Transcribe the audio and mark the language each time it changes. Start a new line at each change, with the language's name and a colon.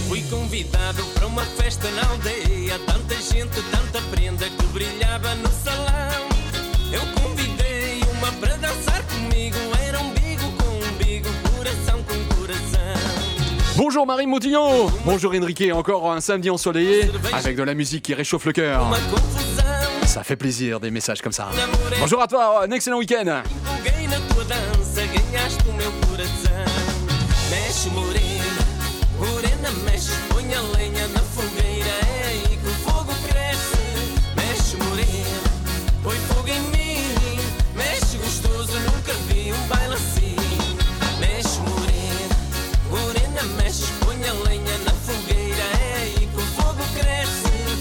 Portuguese: Convidado para uma festa na aldeia, tanta gente, tanta prenda que brilhava no salão. Eu convidei uma para dançar comigo. Era umbigo com umbigo, coração com coração.
French: Bonjour Marie Moutillon, bonjour Enrique, encore un samedi ensoleillé avec de la musique qui réchauffe le cœur. Ça fait plaisir des messages comme ça. Bonjour à toi, un excellent week-end.
Portuguese: Empolguei na tua dança, ganhaste o meu coração. Mexe morena, morena, mexe, põe a lenha na fogueira, é aí que o fogo cresce. Mexe, morena, põe fogo em mim. Mexe gostoso, nunca vi um baile assim. Mexe, morena, morena, mexe, põe a lenha na fogueira, é aí que o fogo cresce.